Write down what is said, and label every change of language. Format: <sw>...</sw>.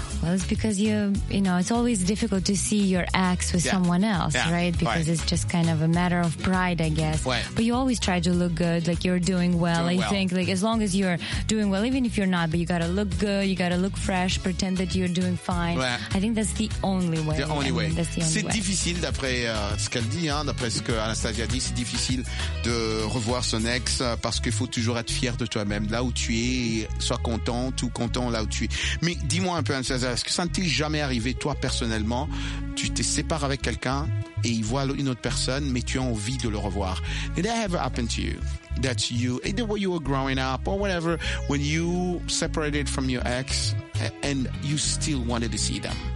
<en>Well, it's because you know, it's always difficult to see your ex with, yeah, someone else, yeah, right? Because, it's just kind of a matter of pride, I guess. Right. But you always try to look good, like you're doing well. Doing I well. Think, like, as long as you're doing well, even if you're not, but you gotta look good, you gotta look fresh, pretend that you're doing fine. Right. I think that's the only way.</en> <fr>C'est difficile, d'après ce qu'elle dit, hein, d'après ce qu'Anastasia dit, c'est difficile de revoir son ex parce qu'il faut toujours être fier de toi-même, là où tu es, sois contente ou content là où tu es. Mais dis-moi un peu, Anastasia, est-ce que ça ne t'est jamais arrivé, toi, personnellement, tu te sépares avec quelqu'un et il voit une autre personne, mais tu as envie de le revoir.</fr> <en>Did that ever happen to you? That you, either when you were growing up or whatever, when you separated from your ex and you still wanted to see them?</en>